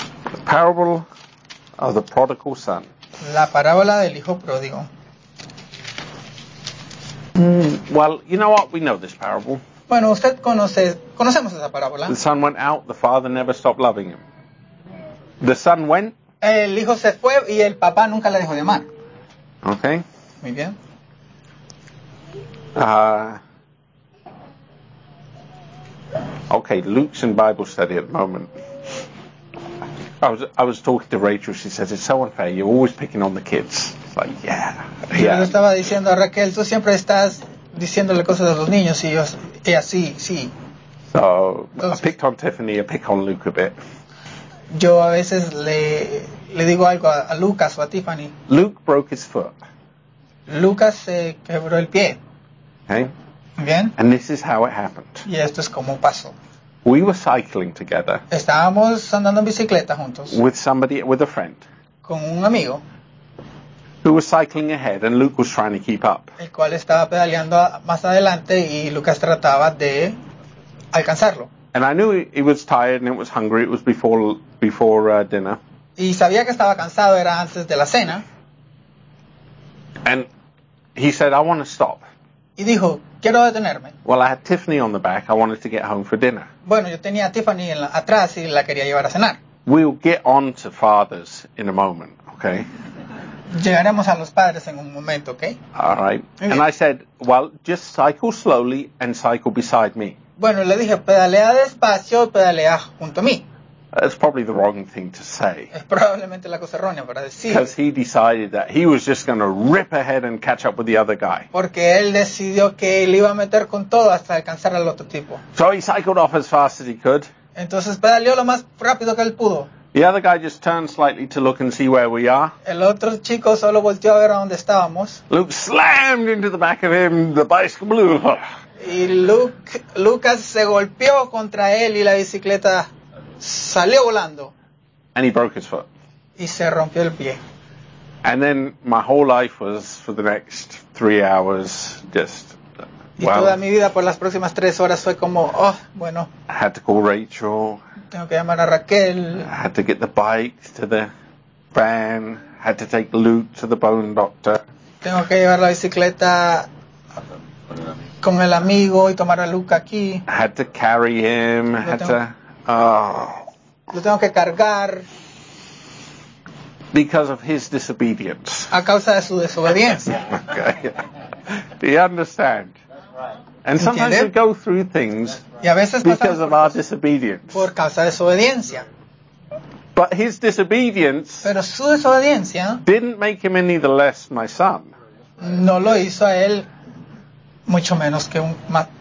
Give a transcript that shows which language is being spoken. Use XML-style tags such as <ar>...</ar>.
<en>The parable of the prodigal son.</en> <es>La parábola del hijo pródigo.</es> <en>Well, you know what? We know this parable.</en> <es>Bueno, usted conoce, conocemos esa parábola.</es> <en>The son went out, the father never stopped loving him. The son went.</en> <es>El hijo se fue y el papá nunca le dejó de amar.</es> <en>Okay.</en> <es>Muy bien.</es> <en>Okay, Luke's in Bible study at the moment. I was talking to Rachel. She says it's so unfair. You're always picking on the kids. Like, yeah, yeah.</en> <es>Yo estaba diciendo a Raquel, tú siempre estás diciéndole cosas a los niños y yo, ella, sí, sí.</es> <en>So</en> <es>entonces,</es> <en>I picked on Tiffany. I pick on Luke a bit.</en> <es>Yo a veces le digo algo a Lucas o a Tiffany.</es> <en>Luke broke his foot.</en> <es>Lucas se quebró el pie.</es> <en>Okay.</en> <es>Bien.</es> <en>And this is how it happened.</en> <es>Y esto es como pasó.</es> <en>We were cycling together.</en> <es>Estábamos andando en bicicleta juntos.</es> <en>With somebody, with a friend.</en> <es>Con un amigo.</es> <en>Who was cycling ahead and Luke was trying to keep up.</en> <es>El cual estaba pedaleando más adelante y Lucas trataba de alcanzarlo.</es> <en>And I knew he was tired and it was hungry. It was before dinner.</en> <es>Y sabía que estaba cansado, era antes de la cena.</es> <en>And he said, I want to stop.</en> <es>Y dijo, quiero detenerme.</es> <en>Well, I had Tiffany on the back. I wanted to get home for dinner.</en> <es>Bueno, yo tenía a Tiffany en la, atrás y la quería llevar a cenar.</es> <en>We'll get on to fathers in a moment, okay?</en> <es>Llegaremos a los padres en un momento, okay?</es> <en>All right. And I said, well, just cycle slowly and cycle beside me.</en> <es>Bueno, le dije, pedalea despacio, pedalea junto a mí.</es> <en>That's probably the wrong thing to say.</en> <es>Es probablemente la cosa errónea para decir.</es> <en>Because he decided that he was just going to rip ahead and catch up with the other guy.</en> <es>Porque él decidió que él iba a meter con todo hasta alcanzar al otro tipo.</es> <en>So he cycled off as fast as he could.</en> <es>Entonces pedaleó lo más rápido que él pudo.</es> <en>The other guy just turned slightly to look and see where we are.</en> <es>El otro chico solo volteó a ver a dónde estábamos.</es> <en>Luke slammed into the back of him, the bicycle blew up.</en> <es>Y Lucas se golpeó contra él y la bicicleta salió volando.</es> <en>And he broke his foot.</en> <es>Y se rompió el pie.</es> <en>And then my whole life was for the next 3 hours just.</en> <es>Y</es> <en>well,</en> <es>toda mi vida por las próximas 3 horas fue como, oh, bueno.</es> <en>I had to call Rachel.</en> <es>Tengo que llamar a Raquel.</es> <en>I had to get the bike to the van. I had to take Luke to the bone doctor.</en> <es>Tengo que llevar la bicicleta con el amigo y tomar a Luke aquí.</es> <en>I had to carry him. I had to.</en> <es>Lo tengo que cargar.</es> <en>Because of his disobedience.</en> <es>A causa de su desobediencia.</es> <en>Okay. Yeah. Do you understand? And sometimes</en> <es>¿entiendes?</es> <en>We go through things because of our disobedience.</en> <es>Por causa de desobediencia.</es> <en>But his disobedience.</en> <es>Pero su desobediencia.</es> <en>Didn't make him any the less my son.</en> <es>No lo hizo a él mucho menos que un más.</es>